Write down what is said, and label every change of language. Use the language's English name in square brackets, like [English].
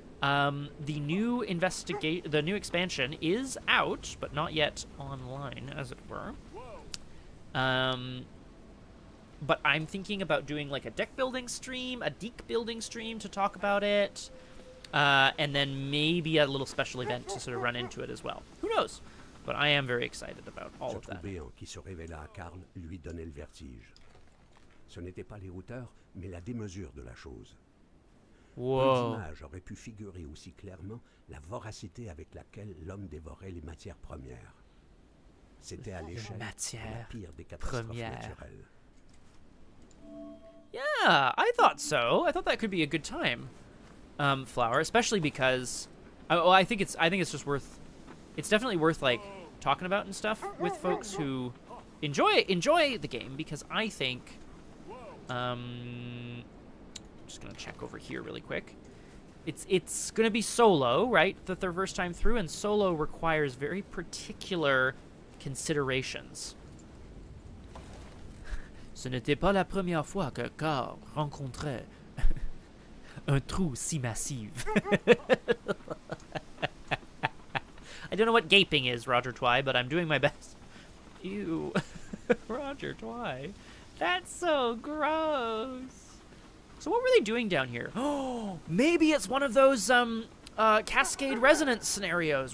[English] The new expansion is out, but not yet online, as it were. But I'm thinking about doing like a deck building stream, a deke building stream to talk about it, and then maybe a little special event to sort of run into it as well. Who knows? But I am very excited about all of that. [French] Ce béant qui se révéla à Karl lui donnait le vertige. Ce n'était pas les routeurs, mais la démesure de la chose. Wow. Une image aurait pu figurer aussi clairement la voracité avec laquelle l'homme dévorait les matières premières. C'était à l'échelle matière de la pire des catastrophes première. Naturelles. [English] Yeah, I thought so. I thought that could be a good time. Flower, especially because I think it's just worth it's definitely worth like talking about and stuff with folks who enjoy the game because I think I'm just gonna check over here really quick. It's gonna be solo, right? The third first time through, and solo requires very particular considerations. [French] Ce n'était pas la première fois que Carl rencontrait un trou si massif. [English] I don't know what gaping is, Roger Twy, but I'm doing my best. Ew. Roger Twy. That's so gross. So what were they doing down here? Maybe it's one of those cascade resonance scenarios.